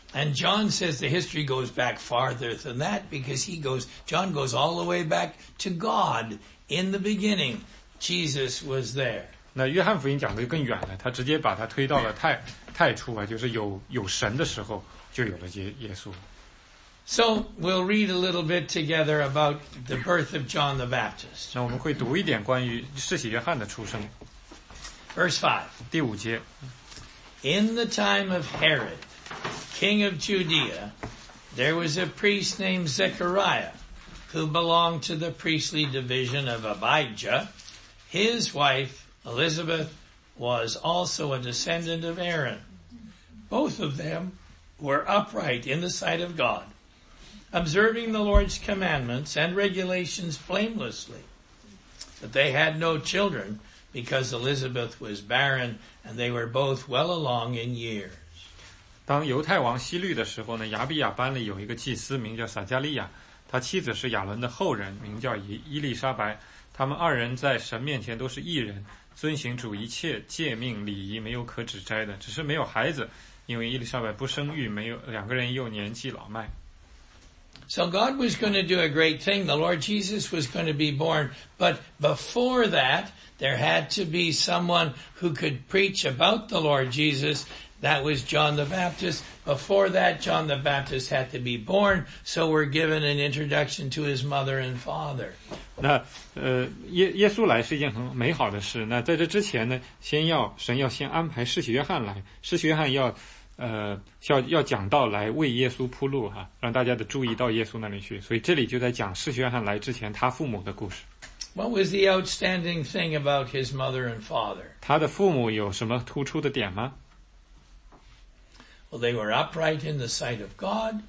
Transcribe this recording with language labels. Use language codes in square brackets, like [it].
[en] And John says the history goes back farther than that because John goes all the way back to God in the beginning. Jesus was there. [zh] 那约翰福音讲的更远了，他直接把他推到了太初啊，就是有神的时候就有了耶稣。 [en] So we'll read a little bit together about the birth of John the Baptist. [zh] 那我们会读一点关于施洗约翰的出生。 [en] Verse 5. [zh] 第五节。 [en] In the time of Herod. King of Judea, there was a priest named Zechariah who belonged to the priestly division of Abijah. His wife, Elizabeth, was also a descendant of Aaron. Both of them were upright in the sight of God, observing the Lord's commandments and regulations blamelessly. But they had no children because Elizabeth was barren and they were both well along in years. [zh] 当犹太王希律的时候呢，亚比亚班里有一个祭司名叫撒加利亚，他妻子是亚伦的后人，名叫伊丽莎白。他们二人在神面前都是义人，遵行主一切诫命礼仪，没有可指摘的，只是没有孩子，因为伊丽莎白不生育，没有两个人又年纪老迈。 [en] So God was going to do a great thing. The Lord Jesus was going to be born, but before that, there had to be someone who could preach about the Lord Jesus. That was John the Baptist. Before that, John the Baptist had to be born, so we're given an introduction to his mother and father. [zh] 那耶稣来是一件很美好的事。那在这之前呢，神要先安排施洗约翰来。施洗约翰要讲道来为耶稣铺路哈，让大家的注意到耶稣那里去。所以这里就在讲施洗约翰来之前他父母的故事。 [en] What was the outstanding thing about his mother and father? [zh] 他的父母有什么突出的点吗？ [en] Well, they were upright in the sight of God.